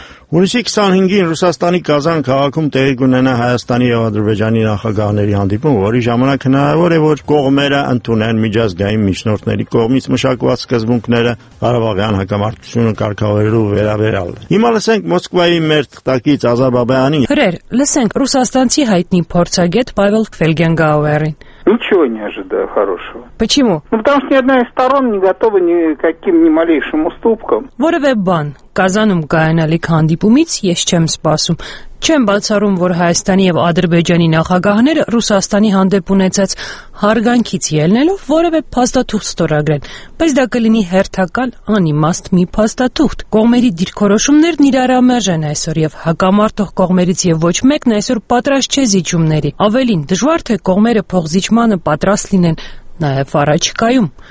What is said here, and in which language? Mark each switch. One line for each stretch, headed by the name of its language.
Armenian: Հունիսի 25-ին Ռուսաստանի Կազան քաղաքում տեղի ունենա Հայաստանի եւ Ադրբեջանի նախագահների հանդիպում, որի ժամանակ հնարավոր է, որ կողմերը ընդունեն միջազգային միջնորդների կողմից մշակված սկզբունքները Ղարաբաղյան հակամարտությունը կարգավորելու վերաբերյալ։ Հիմա լսենք Մոսկվայի մեր թղթակից Ազա Բաբայանին։ Հրեր, լսենք ռուսաստանցի հայտնի փորձագետ Պավել Ֆելգենգաուերին։
Russian: Ничего не ожидаю хорошего. Почему? Ну, потому что ни одна из сторон не готова ни к каким ни малейшим уступкам.
Armenian: Որևէ բան, Կազանում կայանալիք հանդիպումից ես չեմ սպասում։ Չեմ բացառում, որ Հայաստանի եւ Ադրբեջանի նախագահները Ռուսաստանի հանդեպ ունեցած հարգանքից ելնելով որևէ փաստաթուղթ ստորագրեն, բայց դա կլինի հերթական անիմաստ մի փաստաթուղթ։ Կողմերի դիրքորոշումներն իրարամերժեն այսօր, եւ հակամարտող կողմերից եւ ոչ մեկն այսօր պատրաստ չէ զիջումների։ Ավելին, դժվար թե կողմերը փողզիջմանը պատրաստ լինեն նաեւ առաջկայում։